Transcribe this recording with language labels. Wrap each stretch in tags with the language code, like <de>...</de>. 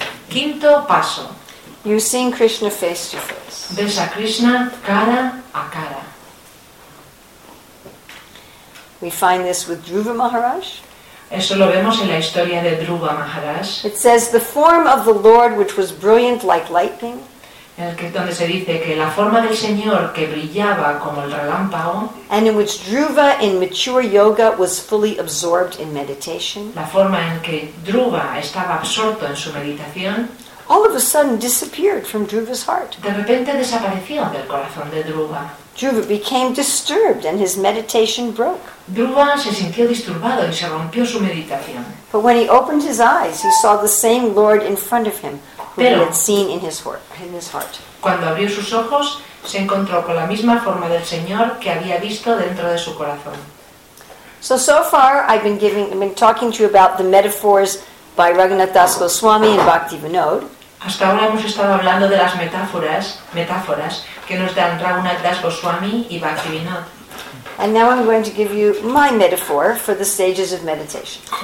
<es>Quinto paso.</es> <en>You've seen Krishna face to face.</en> <es>Ves a Krishna cara a cara.</es> <en>We find this with Dhruva Maharaj.</en> <es>Eso lo vemos en la historia de Dhruva Maharaj.</es> <en>It says the form of the Lord which was brilliant like lightning.</en> <es>Donde se dice que la forma del Señor que brillaba como el relámpago,</es> <en>and in which Dhruva in mature yoga was fully absorbed in meditation,</en> <es>la forma en que Dhruva estaba absorto en su meditación,</es> <en>all of a sudden disappeared from Dhruva's heart.</en> <es>De repente desapareció del corazón de Dhruva.</es> <en>Dhruva became disturbed and his meditation broke.</en> <es>Dhruva se sintió disturbado y se rompió su meditación.</es> <en>But when he opened his eyes, he saw the same Lord in front of him.</en> <es>Pero,</es> <en>he had seen in his heart.</en> <es>Cuando abrió sus ojos, se encontró con la misma forma del Señor que había visto dentro de su corazón.</es> <en>So far, I've been talking to you about the metaphors by Raghunath Das Goswami and Bhaktivinoda.</en> <es>Hasta ahora hemos estado hablando de las metáforas que nos dan Raghunath Das Goswami y Bhaktivinoda.</es> <en>And now I'm going to give you my metaphor for the stages of meditation.</en>